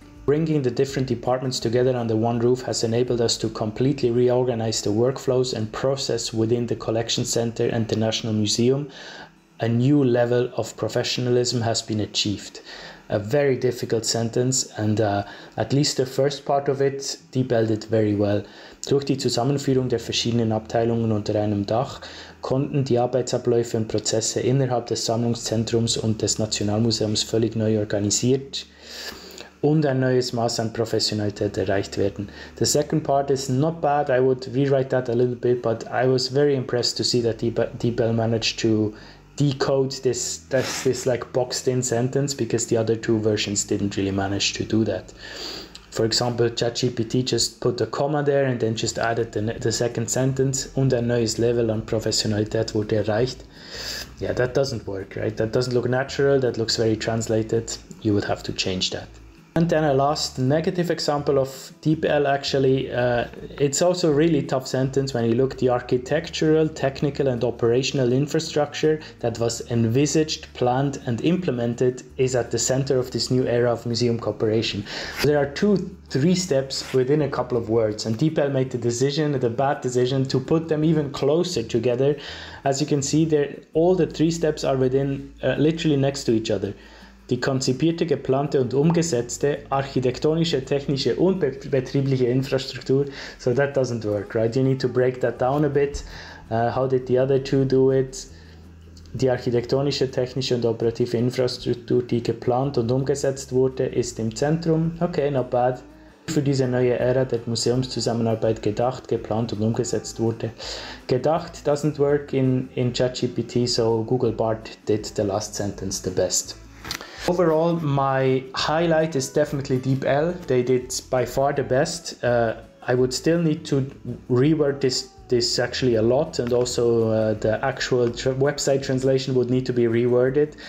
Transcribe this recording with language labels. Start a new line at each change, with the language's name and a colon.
English: Bringing the different departments together under one roof has enabled us to completely reorganize the workflows and process within the collection center and the National Museum. A new level of professionalism has been achieved. A very difficult sentence, and at least the first part of it DeepL'd it very well.
German: Durch die Zusammenführung der verschiedenen Abteilungen unter einem Dach konnten die Arbeitsabläufe und Prozesse innerhalb des Sammlungszentrums und des Nationalmuseums völlig neu organisiert und ein neues Maß an Professionalität erreicht werden.
English: The second part is not bad. I would rewrite that a little bit, but I was very impressed to see that DeepL managed to decode this like boxed in sentence, because the other two versions didn't really manage to do that. For example, ChatGPT just put a comma there and then just added the second sentence, und ein neues Level an Professionalität wurde erreicht. Yeah, that doesn't work, right? That doesn't look natural, that looks very translated. You would have to change that. And then a last negative example of DeepL, actually. It's also a really tough sentence when you look at the architectural, technical and operational infrastructure that was envisaged, planned and implemented is at the center of this new era of museum cooperation. There are three steps within a couple of words, and DeepL made the decision, the bad decision, to put them even closer together. As you can see there, all the three steps are within, literally next to each other.
German: Die konzipierte, geplante und umgesetzte architektonische, technische und betriebliche Infrastruktur.
English: So that doesn't work, right? You need to break that down a bit. How did the other two do it?
German: Die architektonische, technische und operative Infrastruktur, die geplant und umgesetzt wurde, ist im Zentrum. Okay, not bad. Für diese neue Ära der Museumszusammenarbeit gedacht, geplant und umgesetzt wurde.
English: Gedacht doesn't work in ChatGPT, so Google Bard did the last sentence the best. Overall, my highlight is definitely DeepL. They did by far the best. I would still need to reword this actually a lot, and also the actual website translation would need to be reworded.